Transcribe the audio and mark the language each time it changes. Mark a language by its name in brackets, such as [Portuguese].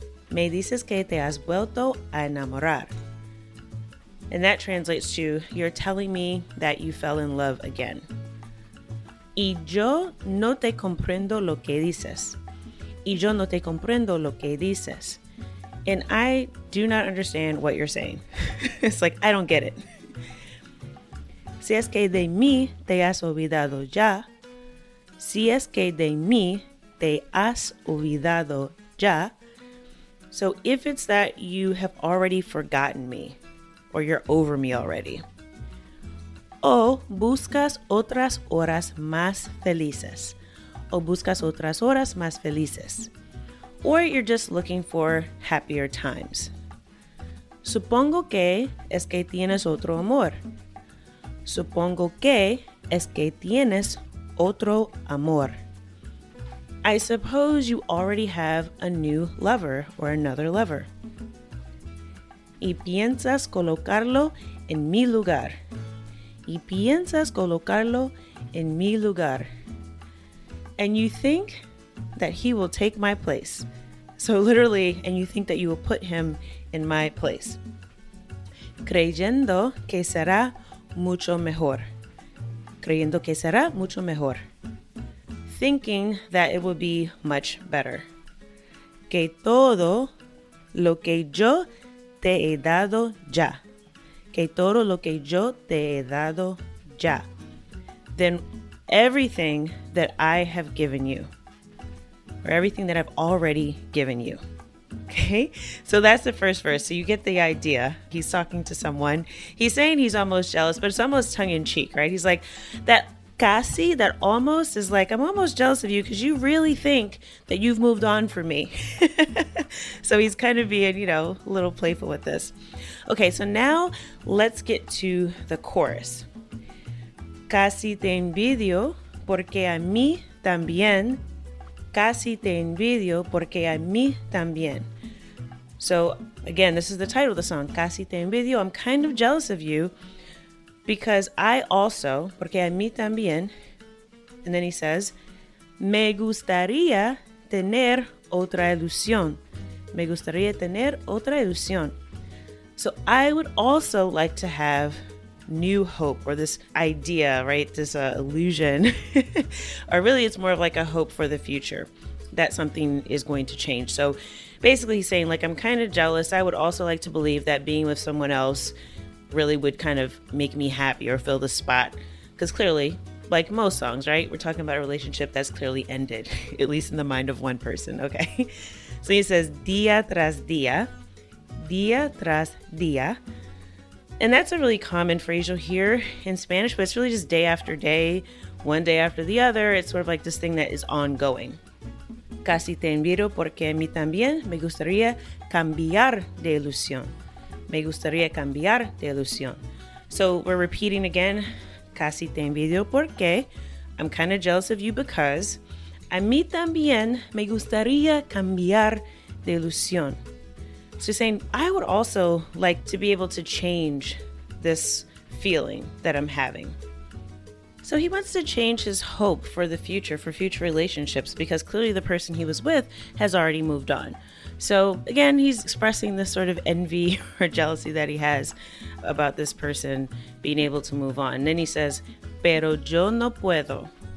[Spanish] Me dices que te has vuelto a enamorar. [English] And that translates to, you're telling me that you fell in love again. [Spanish] Y yo no te comprendo lo que dices. Y yo no te comprendo lo que dices. [English] And I do not understand what you're saying. It's like, I don't get it. [Spanish] Si es que de mí te has olvidado ya. Si es que de mí te has olvidado ya. [English] So if it's that you have already forgotten me, or you're over me already. [Spanish] O buscas otras horas más felices. O buscas otras horas más felices. [English] Or you're just looking for happier times. [Spanish] Supongo que es que tienes otro amor. Supongo que es que tienes otro amor. [English] I suppose you already have a new lover or another lover. [Spanish] Y piensas colocarlo en mi lugar. Y piensas colocarlo en mi lugar. [English] And you think that he will take my place. So literally, and you think that you will put him in my place. [Spanish] Creyendo que será mucho mejor. Creyendo que será mucho mejor. [English] Thinking that it will be much better. [Spanish] Que todo lo que yo te he dado ya. Que todo lo que yo te he dado ya. [English] Then everything that I have given you, or everything that I've already given you. Okay, so that's the first verse. So you get the idea. He's talking to someone. He's saying he's almost jealous, but it's almost tongue in cheek, right? He's like, that casi, that almost is like, I'm almost jealous of you because you really think that you've moved on from me. So he's kind of being, you know, a little playful with this. Okay, so now let's get to the chorus. [Spanish] Casi te envidio porque a mí también. Casi te envidio porque a mí también. [English] So again, this is the title of the song. [Spanish] Casi te envidio. [English] I'm kind of jealous of you because I also, [Spanish] porque a mí también. [English] And then he says, [Spanish] me gustaría tener otra ilusión. Me gustaría tener otra ilusión. [English] So I would also like to have new hope, or this idea, right? This illusion, or really it's more of like a hope for the future that something is going to change. So basically he's saying like, I'm kind of jealous. I would also like to believe that being with someone else really would kind of make me happy or fill the spot. Because clearly, like most songs, right? We're talking about a relationship that's clearly ended, at least in the mind of one person, okay? So he says, [Spanish] día tras día, día tras día. [English] And that's a really common phrase you'll hear in Spanish, but it's really just day after day, one day after the other. It's sort of like this thing that is ongoing. [Spanish] Casi te envidio porque a mí también me gustaría cambiar de ilusión. Me gustaría cambiar de ilusión. [English] So we're repeating again. [Spanish] Casi te envidio porque. [English] I'm kind of jealous of you because. [Spanish] A mí también me gustaría cambiar de ilusión. [English] So saying, I would also like to be able to change this feeling that I'm having. So he wants to change his hope for the future, for future relationships, because clearly the person he was with has already moved on. So again, he's expressing this sort of envy or jealousy that he has about this person being able to move on. And then he says, [Spanish] pero yo no puedo.